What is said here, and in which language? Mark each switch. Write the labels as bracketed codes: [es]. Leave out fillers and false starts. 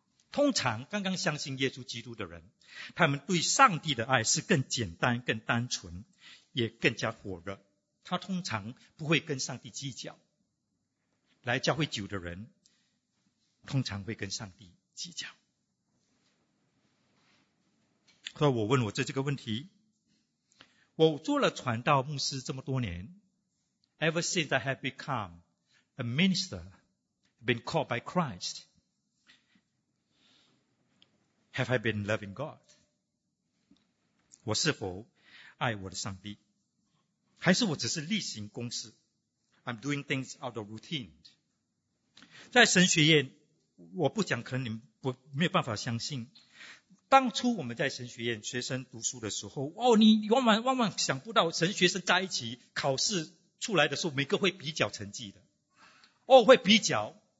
[zh] 通常刚刚相信耶稣基督的人，他们对上帝的爱是更简单、更单纯，也更加火热。他通常不会跟上帝计较。来教会久的人，通常会跟上帝计较。所以我问我这个问题，我做了传道牧师这么多年， [en] Ever since I have become a minister, been called by Christ, have I been loving God? [zh] 我是否爱我的上帝？还是我只是例行公事？ [en] I'm doing things out of routine. [zh] 在神学院，我不讲可能你们没有办法相信，当初我们在神学院学生读书的时候，哦，你万万想不到神学生在一起考试出来的时候，每个会比较成绩的，哦，会比较，